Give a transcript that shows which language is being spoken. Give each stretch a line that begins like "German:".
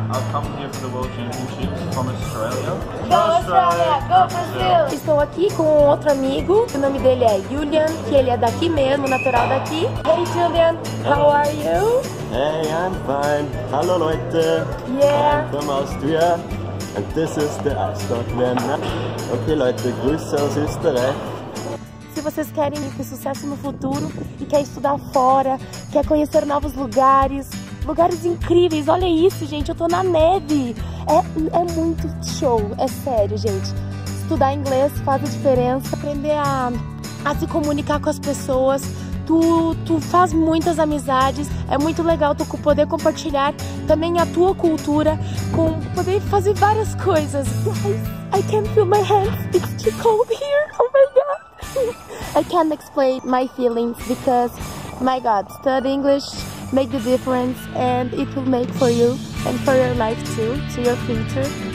English: I've come here for the World Championships from Australia. Go Australia! Go Brazil!
Portuguese: Estou aqui com um outro amigo, o nome dele é Julian, que ele é daqui mesmo, natural daqui.
English: Hey Julian, how are you? Hey, I'm fine. Hello, Leute. Yeah. I'm from Austria. And this is the Ice Dog Vienna.
German: Okay, Leute, grüße aus Österreich.
Portuguese: Se vocês querem ir com sucesso no futuro e quer estudar fora, quer conhecer novos lugares, lugares incríveis, olha isso, gente, eu tô na neve. É muito show, é sério, gente. Estudar inglês faz a diferença. Aprender a se comunicar com as pessoas. Tu faz muitas amizades. É muito legal tu poder compartilhar também a tua cultura com poder fazer várias coisas.
English: I can't feel my hands, it's too cold here, oh my god. I can't explain my feelings because, my god, study English. Make the difference, and it will make for you and for your life too, to your future.